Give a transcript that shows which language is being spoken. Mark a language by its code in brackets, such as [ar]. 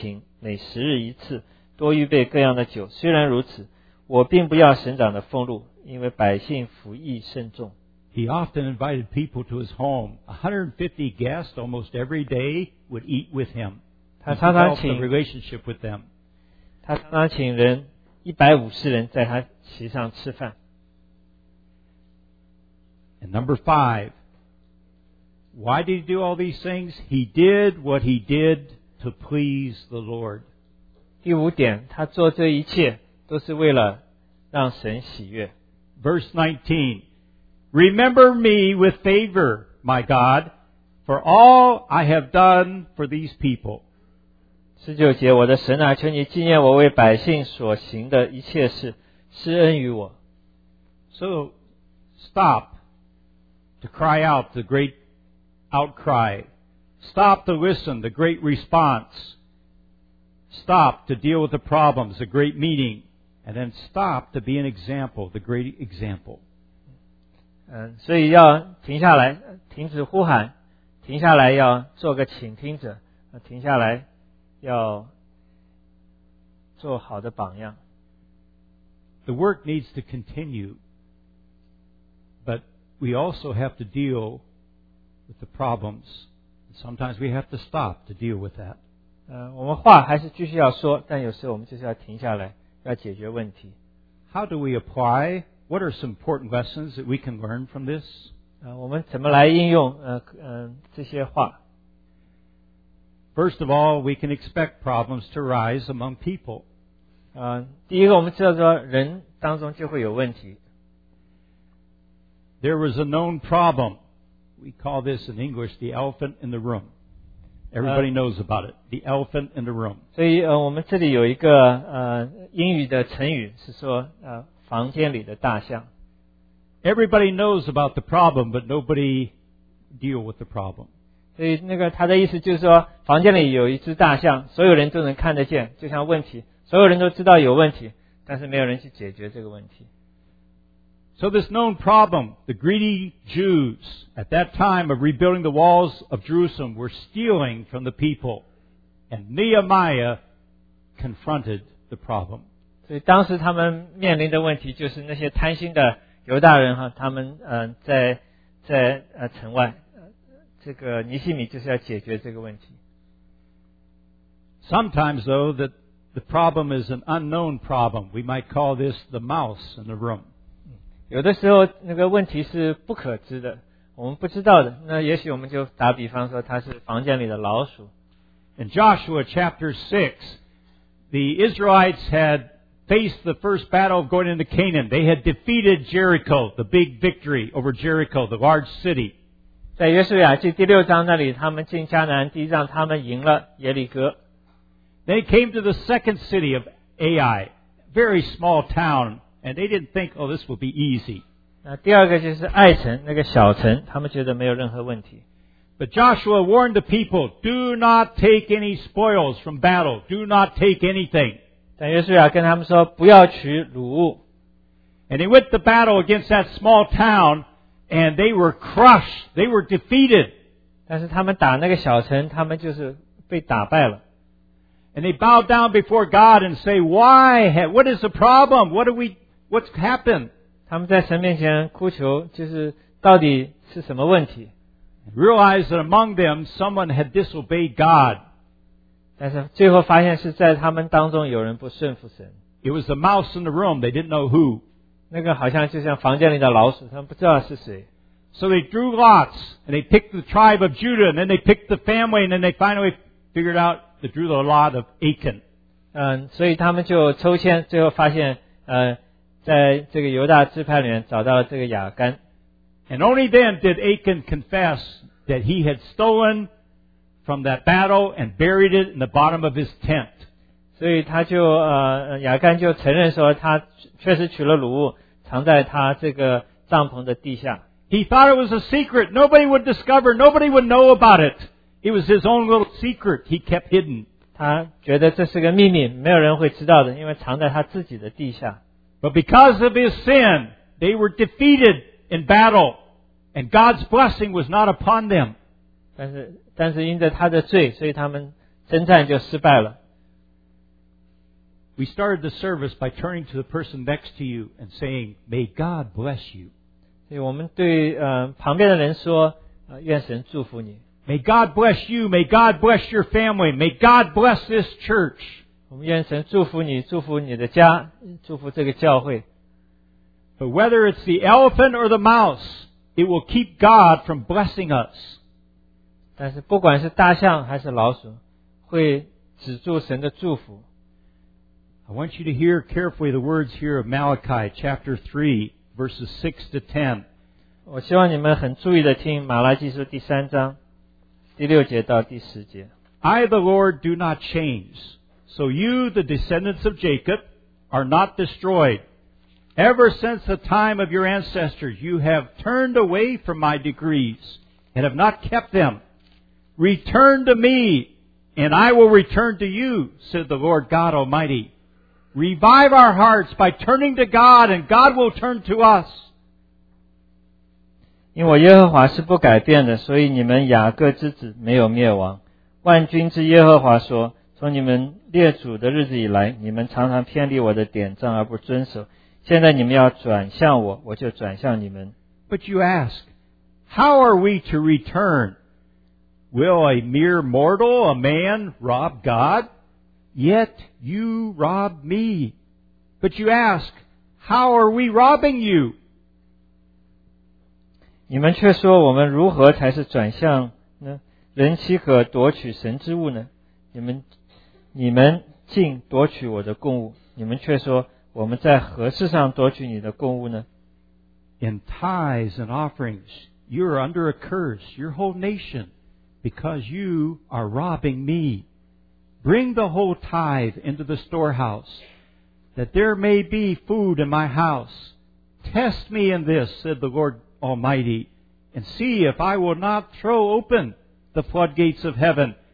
[zh] 17节18节，除了从四围外邦中来的犹太人以外，有犹大平民和官长150人在我席上吃饭，每日预备一只公牛、六只肥羊，又预备那些飞禽，每十日一次。多预备各样的酒，虽然如此，我并不要省长的俸禄，因为百姓服役甚重。 [en] He often invited people to his home. 150 guests almost every day would eat with him. [zh] 他常常请 [en] relationship with them. [zh] 他常常请人150人在他席上吃饭。 [en] And number five, why did he do all these things? He did what he did to please the Lord. [zh] 第五点，他做这一切都是为了让神喜悦。 [en] Verse 19, Remember me with favor, my God, for all I have done for these people. [zh] 19节，我的神啊，求你纪念我为百姓所行的一切事，施恩于我。 [en] So stop to cry out the great outcry. Stop to listen the great response. stop to deal with the problems, the great meeting, and then stop to be an example, the great example. [zh] 所以要停下来，停止呼喊，停下来要做个倾听者，停下来要做好的榜样。 [en] The work needs to continue, but we also have to deal with the problems. Sometimes we have to stop to deal with that. [zh] 我们话还是继续要说，但有时候我们就是要停下来，要解决问题。 [en] How do we apply? What are some important lessons that we can learn from this? [zh] 我们怎么来应用这些话？ [en] First of all, we can expect problems to arise among people. [zh] 第一个我们知道说人当中就会有问题。 [en] There was a known problem. We call this in English the elephant in the room. Everybody knows about it. The elephant in the room. [zh] 所以我们这里有一个英语的成语是说房间里的大象。 [en] Everybody knows about the problem, but nobody deal with the problem. [zh] 所以那个他的意思就是说房间里有一只大象，所有人都能看得见，就像问题。所有人都知道有问题，但是没有人去解决这个问题。 [en] So this known problem, the greedy Jews at that time of rebuilding the walls of Jerusalem were stealing from the people, and Nehemiah confronted the problem. [zh] 所以当时他们面临的问题就是那些贪心的犹大人哈，他们在城外，这个尼希米就是要解决这个问题。 [en] Sometimes though that the problem is an unknown problem. We might call this the mouse in the room. [zh] 有的时候那个问题是不可知的，我们不知道的。那也许我们就打比方说它是房间里的老鼠。 [en] In Joshua chapter 6, the Israelites had faced the first battle of going into Canaan. They had defeated Jericho, the big victory over Jericho, the large city. [zh] 在约书亚记第六章那里，他们进迦南地，让他们赢了耶利哥。 [en] They came to the second city of Ai, very small town, and they didn't think, oh, this will be easy. [zh] 那第二个就是爱城，那个小城，他们觉得没有任何问题。 [en] But Joshua warned the people, do not take any spoils from battle, do not take anything. [zh] 但约书亚跟他们说，不要取掳物。 [en] And he went to battle against that small town, and they were crushed, they were defeated. [zh] 但是他们打那个小城，他们就是被打败了。 [en] And they bowed down before God and say, why? What is the problem? What's happened? [zh] 他们在神面前哭求，就是到底是什么问题？ [en] Realize that among them, someone had disobeyed God. [zh] 但是最后发现是在他们当中有人不顺服神。 [en] It was the mouse in the room. They didn't know who. [zh] 那个好像就像房间里的老鼠，他们不知道是谁。 [en] So they drew lots, and they picked the tribe of Judah, and then they picked the family, and then they finally figured out they drew the lot of Achan. [zh] 所以他们就抽签，最后发现，在这个犹大支派里面找到了这个亚干。 [en] And only then did Achan confess that he had stolen from that battle and buried it in the bottom of his tent. [zh] 所以他就亚干就承认说他确实取了掳物，藏在他这个帐篷的地下。 [en] He thought it was a secret. Nobody would discover. Nobody would know about it. It was his own little secret he kept hidden. [zh] 他觉得这是个秘密，没有人会知道的，因为藏在他自己的地下。 [en] But because of his sin, they were defeated in battle, and God's blessing was not upon them. [zh] 但是因着他的罪，所以他们征战就失败了。 [en] We started the service by turning to the person next to you and saying, "May God bless you." [zh] 所以我们对旁边的人说，愿神祝福你。 [en] May God bless you. May God bless your family. May God bless this church. [zh] 我们愿神祝福你，祝福你的家，祝福这个教会。 [en] But whether it's the elephant or the mouse, it will keep God from blessing us. [zh] 但是不管是大象还是老鼠，会止住神的祝福。 [en] I want you to hear carefully the words here of Malachi chapter 3, verses 6 to 10. [zh] 我希望你们很注意地听马拉基书第三章。第六节到第十节。 [en] I, the Lord, do not change. So you, the descendants of Jacob, are not destroyed. Ever since the time of your ancestors, you have turned away from my decrees and have not kept them. Return to me, And I will return to you, said the Lord God Almighty. Revive our hearts by turning to God, and God will turn to us. [zh] 因为耶和华是不改变的，所以你们雅各之子没有灭亡。万军之耶和华说，从你们列祖的日子以来，你们常常偏离我的典章而不遵守。现在你们要转向我，我就转向你们。 [en] But you ask, how are we to return? Will a mere mortal, a man, rob God? Yet you rob me. But you ask, how are we robbing you? [zh] 你们却说我们如何才是转向呢？人岂可夺取神之物呢？你们竟夺取我的供物，你们却说我们在何事上夺取你的供物呢？ [en] In tithes and offerings, you are under a curse, your whole nation, because you are robbing me. Bring the whole tithe into the storehouse, that there may be food in my house. Test me in this, said the Lord Almighty, and see if I will not throw open the floodgates of heaven.